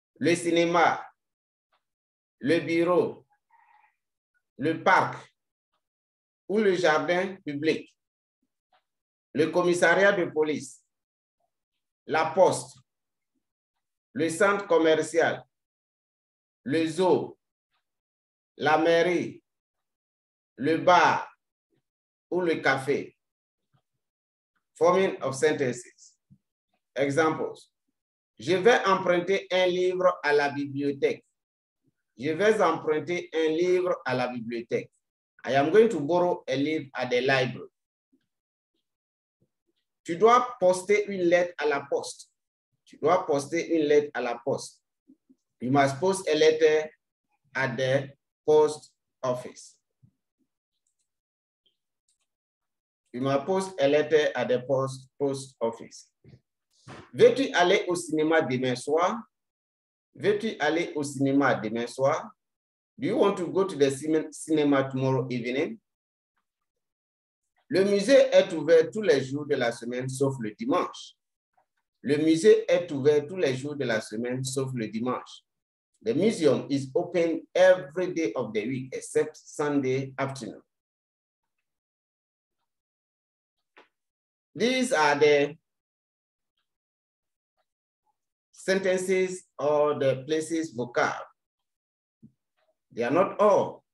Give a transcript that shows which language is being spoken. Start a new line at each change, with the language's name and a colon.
French: Le cinéma, le bureau, le parc ou le jardin public, le commissariat de police, la poste, le centre commercial, le zoo, la mairie, le bar ou le café.
English: Forming of sentences. Examples.
French: Je vais emprunter un livre à la bibliothèque. Je vais emprunter un livre à la bibliothèque.
English: I am going to borrow a livre at the library.
French: Tu dois poster une lettre à la poste. Tu dois poster une lettre à la poste.
English: You must post a letter at the post office. You must post a letter at the post office.
French: Veux-tu aller au cinéma demain soir? Veux-tu aller au cinéma demain soir?
English: Do you want to go to the cinema tomorrow evening?
French: Le musée est ouvert tous les jours de la semaine sauf le dimanche. Le musée est ouvert tous les jours de la semaine sauf le dimanche.
English: The museum is open every day of the week except Sunday afternoon. These are the sentences or the places vocab. They are not all.